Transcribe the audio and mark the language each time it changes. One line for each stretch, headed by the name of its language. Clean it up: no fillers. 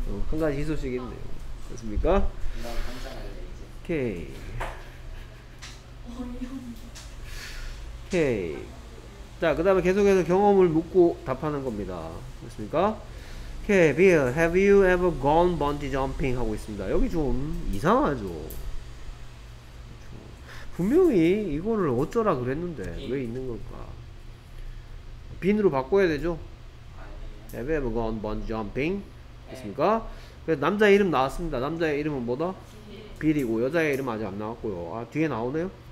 Korean: 한 가지 희소식 있네요. 됐습니까? 오케이. 오케이. 자, 그 다음에 계속해서 경험을 묻고 답하는 겁니다. 됐습니까?
English: 오케이, Bill, have you ever gone bungee jumping?
Korean: 하고 있습니다. 여기 좀 이상하죠? 분명히 이거를 어쩌라 그랬는데 빈. 왜 있는 걸까? 빈으로 바꿔야 되죠? 아니에요.
English: Have you ever gone bungee jumping?
Korean: 됐습니까? 그래서 남자의 이름 나왔습니다. 남자의 이름은 뭐다? 빌이고 여자의 이름 아직 안 나왔고요. 아 뒤에 나오네요?